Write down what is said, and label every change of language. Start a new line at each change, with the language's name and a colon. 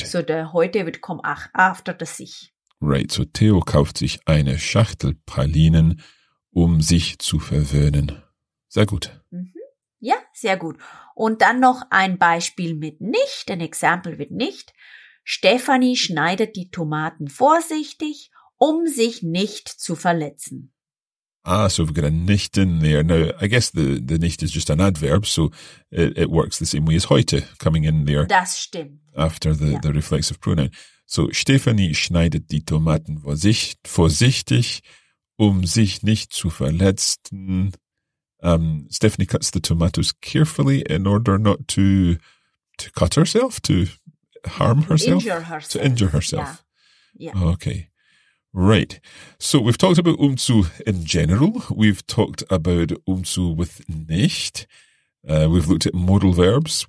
English: So the heute would come after the sich.
German: Right, so Theo kauft sich eine Schachtel Pralinen, sich zu verwöhnen. Sehr gut. Mm-hmm. Ja, sehr gut. Und dann noch ein Beispiel mit nicht, ein Example mit nicht. Stefanie schneidet die Tomaten vorsichtig, sich nicht zu verletzen.
English: Ah, so we've got a nicht in there. Now, I guess the nicht is just an adverb, so it works the same way as heute, coming in there.
German: Das stimmt.
English: After the reflexive pronoun.
German: So, Stefanie schneidet die Tomaten vorsichtig, sich nicht zu verletzen.
English: Stephanie cuts the tomatoes carefully in order not to cut herself, to harm herself. Injure herself. To injure herself. Yeah. Yeah. Okay. Right. So we've talked about zu in general. We've talked about zu with nicht. We've looked at modal verbs.